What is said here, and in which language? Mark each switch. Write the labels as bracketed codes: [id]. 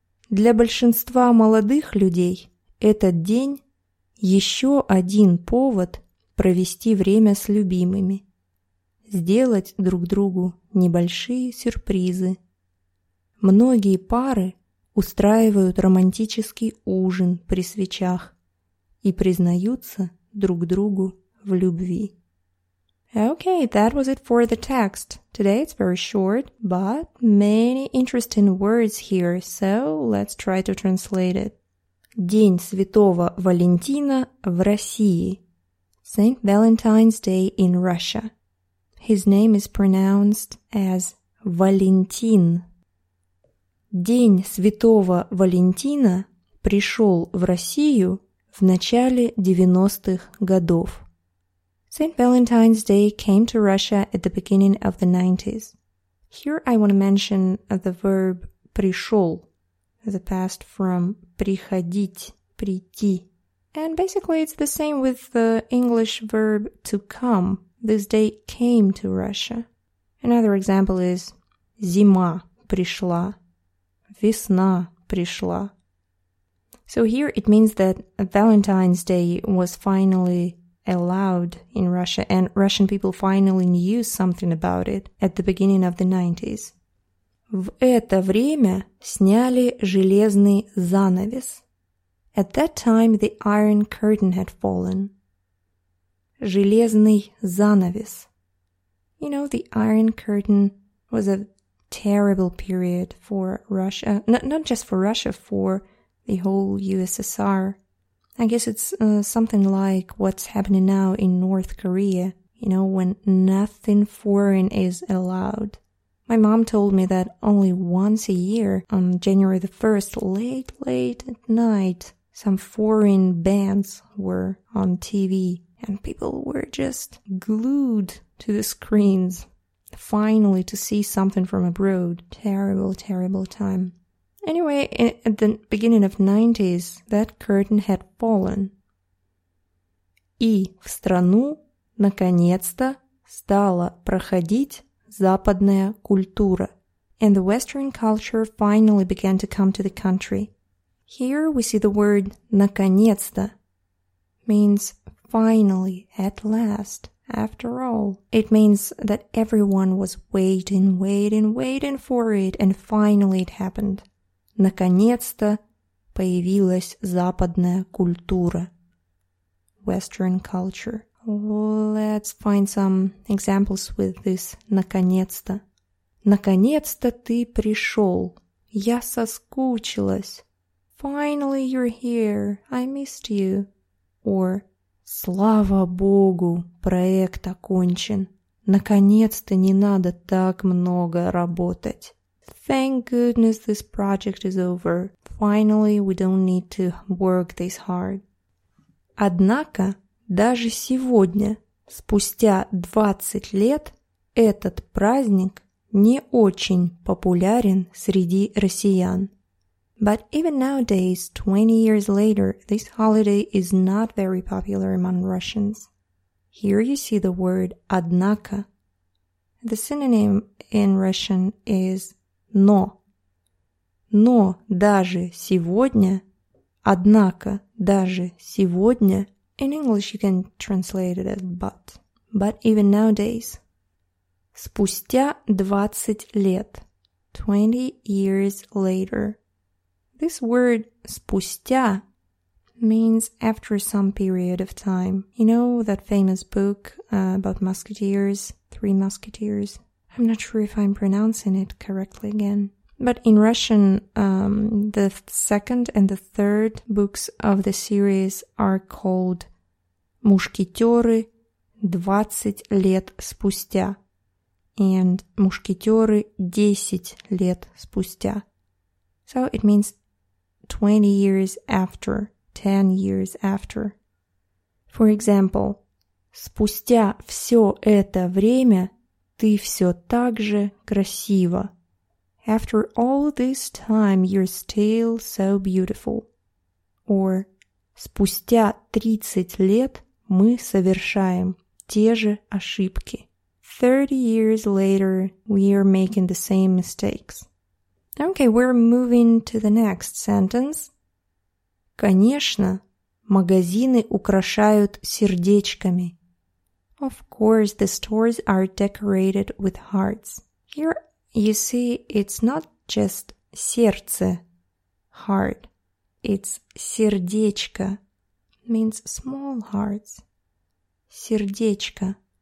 [ru] Для большинства молодых людей этот день – еще один повод провести время с любимыми, сделать друг другу небольшие сюрпризы. Многие пары устраивают романтический ужин при свечах и признаются друг другу в любви. [en] Okay, that was it for the text. Today it's very short, but many interesting words here, so let's try to translate it. [ru] День Святого Валентина в России. [en] St. Valentine's Day in Russia. His name is pronounced as Валентин. [ru] День Святого Валентина пришел в Россию в начале 90-х годов. [en] St. Valentine's Day came to Russia at the beginning of the 90s. Here I want to mention the verb пришел, the past from приходить, прийти. And basically it's the same with the English verb to come. This day came to Russia. Another example is [ru] зима пришла. Весна пришла. [en] So here it means that Valentine's Day was finally allowed in Russia and Russian people finally knew something about it at the beginning of the 90s. [ru] В это время сняли железный занавес. [en] At that time the iron curtain had fallen. [ru] Железный занавес. [en] You know, the iron curtain was a terrible period for Russia, not just for Russia, for the whole USSR. I guess it's something like what's happening now in North Korea. you know, when nothing foreign is allowed. My mom told me that only once a year, on January the 1st, late, late at night, some foreign bands were on TV and people were just glued to the screens, finally to see something from abroad. Terrible, terrible time. Anyway, at the beginning of 90s, that curtain had fallen. [ru] И в страну наконец-то стала проходить западная культура. [en] And the Western culture finally began to come to the country. Here we see the word наконец-то means finally, at last, after all. It means that everyone was waiting, waiting, waiting for it, and finally it happened. [ru] Наконец-то появилась западная культура. [en] Western culture. Let's find some examples with this наконец-то. [ru] Наконец-то ты пришел. Я соскучилась. [en] Finally you're here. I missed you. [ru] Or слава богу, проект окончен. Наконец-то не надо так много работать. [en] Thank goodness this project is over. Finally, we don't need to work this hard. [ru] Однако, даже сегодня, спустя 20 лет, этот праздник не очень популярен среди россиян. [en] But even nowadays, 20 years later, this holiday is not very popular among Russians. Here you see the word однако. The synonym in Russian is но. [ru] Но даже сегодня, однако даже сегодня. [en] In English you can translate it as but. But even nowadays. [ru] Спустя 20 лет. [en] 20 years later. This word спустя means after some period of time. You know that famous book about musketeers, Three Musketeers? I'm not sure if I'm pronouncing it correctly again. But in Russian, the second and the third books of the series are called [ru] Мушкетёры 20 лет спустя and Мушкетёры 10 лет спустя. [en] So it means 20 years after, 10 years after. For example, [ru] спустя всё это время ты все так же красива. [en] After all this time, you're still so beautiful. [ru] Or, спустя 30 лет мы совершаем те же ошибки. [en] 30 years later, we are making the same mistakes. Okay, we're moving to the next sentence. [ru] Конечно, магазины украшают сердечками. [en] Of course, the stores are decorated with hearts. Here, you see, it's not just сердце, heart. It's сердечко, means small hearts. [ru] Сердечко.